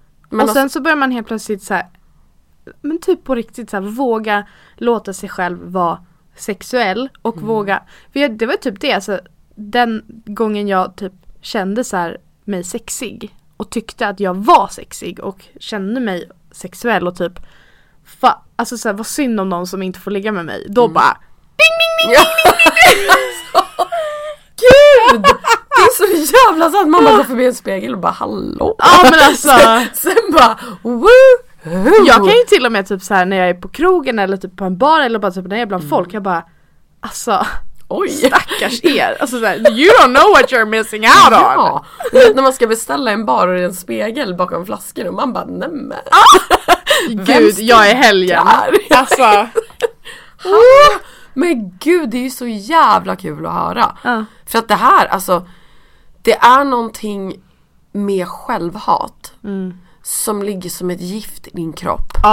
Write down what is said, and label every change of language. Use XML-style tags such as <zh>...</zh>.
<sv>Men och sen så börjar man helt plötsligt såhär, men typ på riktigt såhär, våga låta sig själv vara sexuell. Och våga, för jag, det var typ det, alltså den gången jag typ kände såhär mig sexig. Och tyckte att jag var sexig och kände mig sexuell och typ, alltså såhär, vad synd om någon som inte får ligga med mig. Då bara, ding, ding, ding, ding, ding, ding. Gud, det är så jävla sant. Mamma går förbi en spegel och bara, hallå. Ja men alltså. Sen bara, woo. Jag kan ju till och med typ så här när jag är på krogen eller typ på en bar eller bara typ när jag är bland folk, jag bara, alltså, oj, stackars er. Alltså så här,</sv> <en>you don't know what you're missing out on.</en> <sv>Ja, när man ska beställa en bar och det är en spegel bakom flaskan och man bara, nämen. Gud, jag är helgen. Alltså. Men gud, det är ju så jävla kul att höra. För att det här, alltså, det är någonting med självhat som ligger som ett gift i din kropp.</sv>